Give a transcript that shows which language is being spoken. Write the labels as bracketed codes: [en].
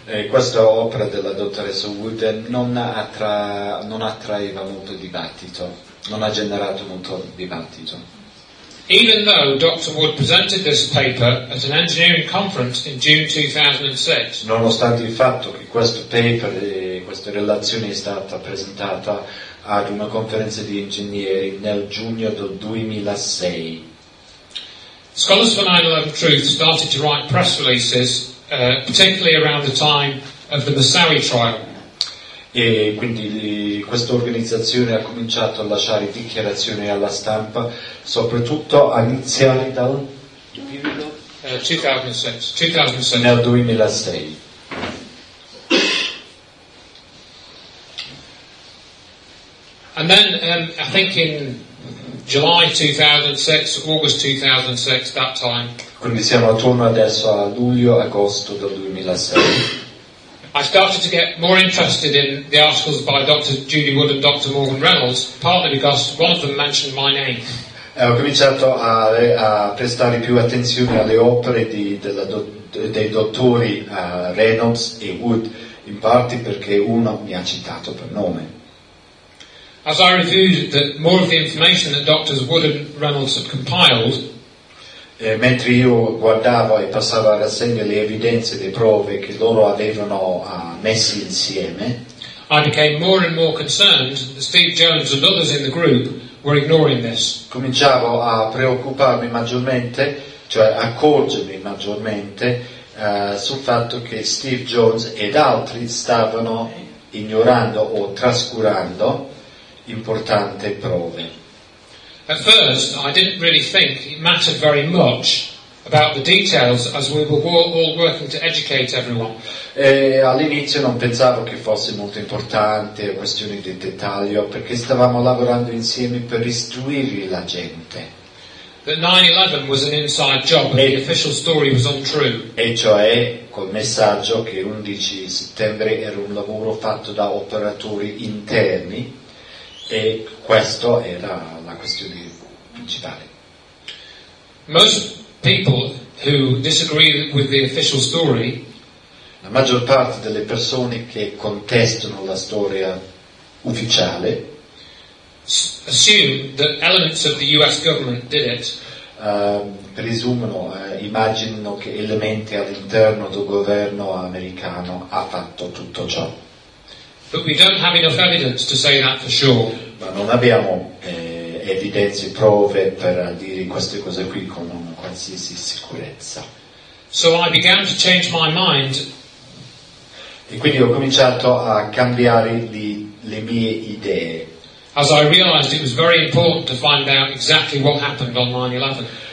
[it] Questa opera della dottoressa Wood non attraeva molto dibattito. Non ha generato molto dibattito. [en] Even though Dr. Wood presented this paper at an engineering conference in June 2006. [it] Nonostante il fatto che questo paper, questa relazione è stata presentata ad una conferenza di ingegneri nel giugno del 2006. [en] Scholars for 9/11 Truth started to write press releases, particularly around the time of the Massawi trial. [it] E quindi questa organizzazione ha cominciato a lasciare dichiarazioni alla stampa, soprattutto a iniziare dal 2006. Nel 2006. [en] And then I think in July 2006, August 2006, that time. [it] Quindi siamo attorno adesso a luglio-agosto del 2006. [en] I started to get more interested in the articles by Dr. Judy Wood and Dr. Morgan Reynolds, partly because one of them mentioned my name. [it] Ho cominciato a prestare più attenzione alle opere dei dottori Reynolds e Wood, in parte perché uno mi ha citato per nome. [en] As I reviewed more of the information that Drs. Wood and Reynolds had compiled, [it] mentre io guardavo e passavo a rassegna le evidenze, le prove che loro avevano messi insieme, [en] I became more and more concerned that Steve Jones and others in the group were ignoring this. [it] Cominciavo a preoccuparmi maggiormente, cioè accorgermi maggiormente, sul fatto che Steve Jones ed altri stavano ignorando o trascurando importanti prove. [en] At first, I didn't really think it mattered very much about the details, as we were all working to educate everyone. [it] All'inizio non pensavo che fosse molto importante la questione di dettaglio, perché stavamo lavorando insieme per istruire la gente. [en] That 9/11 was an inside job, and the official story was untrue. [it] E cioè, col messaggio che 11 settembre era un lavoro fatto da operatori interni, e questo era la questione principale. [en] Most people who disagree with the official story, [it] la maggior parte delle persone che contestano la storia ufficiale, [en] assume that elements of the US government did it. [it] Presumono, immaginano che elementi all'interno del governo americano ha fatto tutto ciò. [en] But we don't have enough evidence to say that for sure. [it] Ma non abbiamo evidenze, prove per dire queste cose qui con una qualsiasi sicurezza. [en] So I began to change my mind. [it] E quindi ho cominciato a cambiare le mie idee. [en] As I realized it was very important to find out exactly what happened on 9/11.